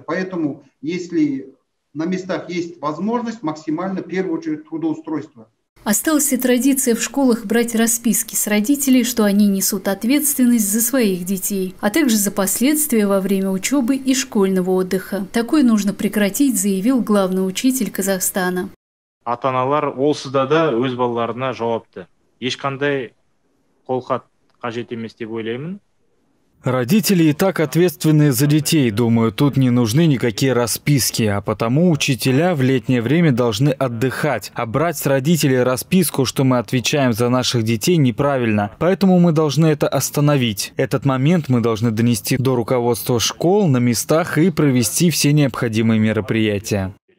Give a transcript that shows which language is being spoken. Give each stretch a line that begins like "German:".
Russian: Поэтому если на местах есть возможность, максимально, в первую очередь, трудоустройство. Осталась и традиция в школах брать расписки с родителей, что они несут ответственность за своих детей, а также за последствия во время учебы и школьного отдыха. Такое нужно прекратить, заявил главный учитель Казахстана.
Kazakh: Ата-аналар олсызда да өз балаларына жауапты. Ешқандай қолхат қажет емес деп ойлаймын.
Russian: Родители и так ответственны за детей. Думаю, тут не нужны никакие расписки. А потому учителя в летнее время должны отдыхать. А брать с родителей расписку, что мы отвечаем за наших детей, неправильно. Поэтому мы должны это остановить. Этот момент мы должны донести до руководства школ на местах и провести все необходимые мероприятия.